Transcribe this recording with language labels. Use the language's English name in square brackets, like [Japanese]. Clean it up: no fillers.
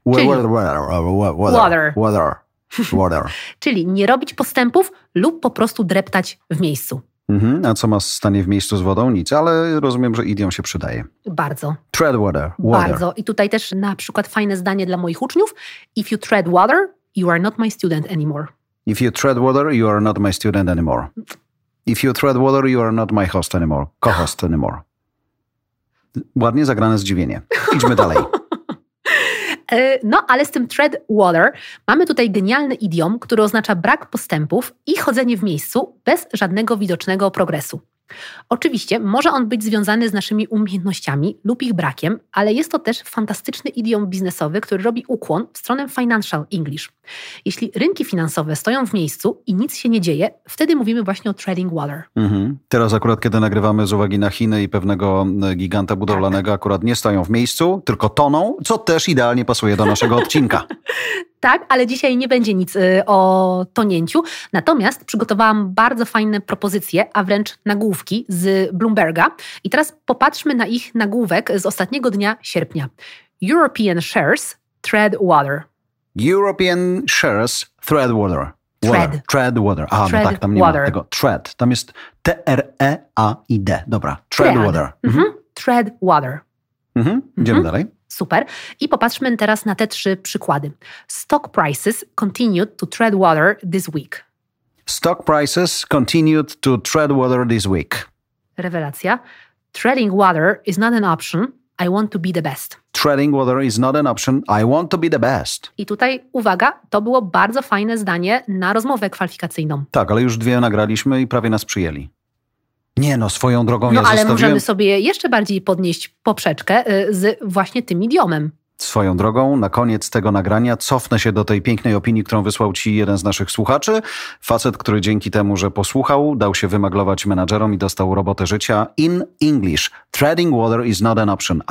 [English] Water. Water. Water. [Polish] Czyli nie robić postępów lub po prostu dreptać w miejscu. Mm-hmm. A co ma stanie w miejscu z wodą? Nic, ale rozumiem, że idiom się przydaje. Bardzo. [English] Tread water. [Polish] Bardzo. I tutaj też na przykład fajne zdanie dla moich uczniów. [English] If you tread water, you are not my student anymore. If you tread water, you are not my student anymore. If you tread water, you are not my host anymore. Co-host anymore. [Polish] Ładnie zagrane zdziwienie. Idźmy dalej. No, ale z tym tread water mamy tutaj genialny idiom, który oznacza brak postępów i chodzenie w miejscu bez żadnego widocznego progresu. Oczywiście może on być związany z naszymi umiejętnościami lub ich brakiem, ale jest to też fantastyczny idiom biznesowy, który robi ukłon w stronę financial English. Jeśli rynki finansowe stoją w miejscu i nic się nie dzieje, wtedy mówimy właśnie o treading water. Mhm. Teraz akurat, kiedy nagrywamy z uwagi na Chiny i pewnego giganta budowlanego, tak, akurat nie stoją w miejscu, tylko toną, co też idealnie pasuje do naszego odcinka. Tak, ale dzisiaj nie będzie nic o tonięciu. Natomiast przygotowałam bardzo fajne propozycje, a wręcz nagłówki z Bloomberga. I teraz popatrzmy na ich nagłówek z ostatniego dnia sierpnia. [English] European shares tread water. European shares tread water. Tread. Tread water. Aha, tread, [Polish] no tak, tam nie [English] water [Polish] ma tego. Tread. Tam jest T-R-E-A-I-D. Dobra. Tread water. [English] Mhm. Tread water. [Polish] Mhm. Idziemy dalej. Super. I popatrzmy teraz na te trzy przykłady. [English] Stock prices continued to tread water this week. Stock prices continued to tread water this week. [Polish] Rewelacja. [English] Treading water is not an option. I want to be the best. Treading water is not an option. I want to be the best. [Polish] I tutaj uwaga, to było bardzo fajne zdanie na rozmowę kwalifikacyjną. Tak, ale już dwie nagraliśmy i prawie nas przyjęli. Nie no, swoją drogą no, ja zostawiłem... No ale możemy sobie jeszcze bardziej podnieść poprzeczkę z właśnie tym idiomem. Swoją drogą, na koniec tego nagrania cofnę się do tej pięknej opinii, którą wysłał ci jeden z naszych słuchaczy. Facet, który dzięki temu, że posłuchał, dał się wymaglować menadżerom i dostał robotę życia. [English] In English, treading water is not an option.